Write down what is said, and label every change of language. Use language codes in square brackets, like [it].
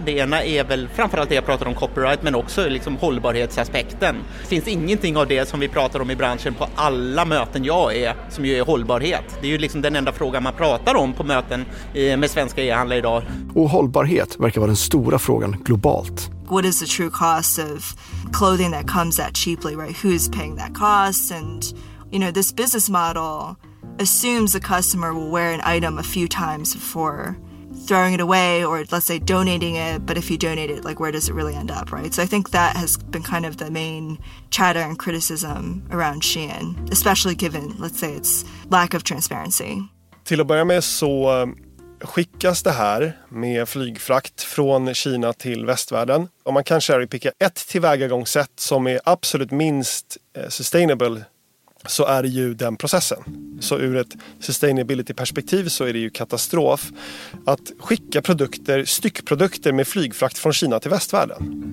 [sv] Det ena är väl framförallt det jag pratar om copyright, men också liksom hållbarhetsaspekten. Det finns ingenting av det som vi pratar om i branschen på alla möten jag är som ju är hållbarhet. Det är ju liksom den enda frågan man pratar om på möten med svenska e-handlare idag. Och hållbarhet verkar vara den stora frågan globalt. [en] What is the true cost of clothing that comes that cheaply, right? Who's paying that cost? And you know, this business model assumes the customer will wear an item a few times before throwing it away or let's say donating it, but if you donate it, like where does it really end up, right? So I think that has been kind of the main chatter and criticism around Shein, especially given, let's say, its lack of transparency. [sv] Till att börja med så skickas det här med flygfrakt från Kina till västvärlden. Och man kan cherrypicka ett tillvägagångssätt som är absolut minst sustainable, så är det ju den processen. Så ur ett sustainability-perspektiv så är det ju katastrof att skicka produkter, styckprodukter med flygfrakt från Kina till västvärlden.